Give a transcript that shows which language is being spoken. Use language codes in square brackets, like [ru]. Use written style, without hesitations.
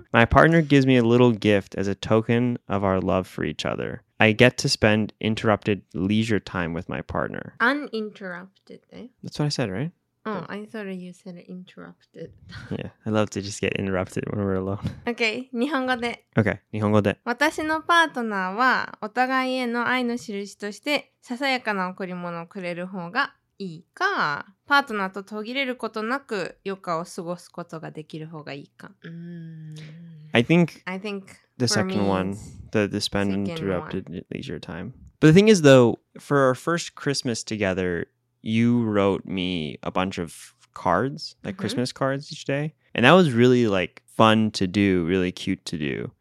[en] My partner gives me a little gift as a token of our love for each other. I get to spend interrupted leisure time with my partner. Uninterrupted, eh? That's what I said, right? Oh, I thought you said interrupted. Yeah, I love to just get interrupted when we're alone. Okay, [ja] 日本語で。 [en] Okay, [ja] 日本語で。私のパートナーはお互いへの愛の印としてささやかな贈り物をくれる方がいいか、パートナーと途切れることなく余暇を過ごすことができる方がいいか。 [en] I think the second one, the spend interrupted leisure time. But the thing is though, for our first Christmas together,You wrote me a bunch of cards, like mm-hmm. Christmas cards each day. And that was really like fun to do, really cute to do.